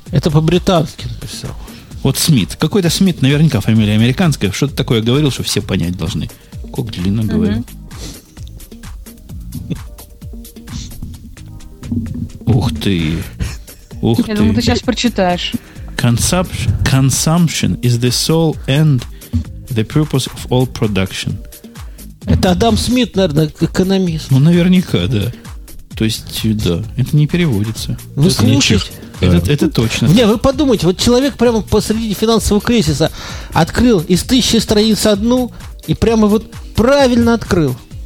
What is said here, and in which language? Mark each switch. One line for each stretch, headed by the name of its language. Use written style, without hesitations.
Russian: Это по-британски написал. Вот Смит. Какой-то Смит, наверняка фамилия американская. Что-то такое говорил, что все понять должны. Как длинно говорил. Ух ты. Ух ты. Я думаю, ты сейчас прочитаешь.
English: Consumption is the soul and the purpose of all production.
Russian: Это Адам Смит, наверное, экономист. Ну, наверняка, да. То есть, да, это не переводится. Вы слушаете? Это точно. Не, вы подумайте, вот человек прямо посреди финансового кризиса открыл из 1000 страниц одну и прямо вот правильно открыл.